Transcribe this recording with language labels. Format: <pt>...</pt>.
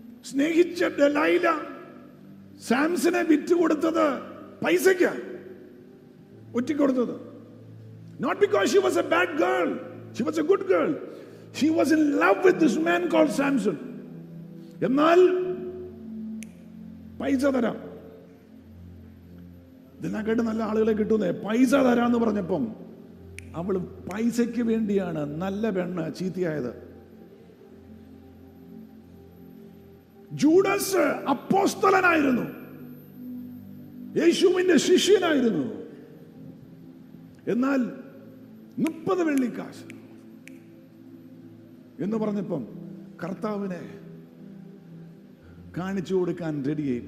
<ml>സ്നേഹിച്ച ഡെലൈല സാംസനെ വിറ്റുകൊടുത്തത് പൈസയ്ക്ക്, ഒറ്റിക്കൊടുത്തത്.</ml> <en>Not because she was a bad girl, she was a good girl. She was in love with this man called Samson. എന്നാൽ</en> <ml>പൈസ തരാം. ഇതെല്ലാം കേട്ട് നല്ല ആളുകളെ കിട്ടുന്നേ, പൈസ തരാന്ന് പറഞ്ഞപ്പം അവൾ പൈസയ്ക്ക് വേണ്ടിയാണ് നല്ല പെണ്ണ് ചീത്തയായത്. ജൂഡാസ് അപ്പോസ്തലനായിരുന്നു, യേശുവിന്റെ ശിഷ്യനായിരുന്നു, എന്നാൽ 30 വെള്ളിക്കാശ് എന്ന് പറഞ്ഞപ്പം കർത്താവിനെ കാണിച്ചു കൊടുക്കാൻ റെഡിയായി.</ml>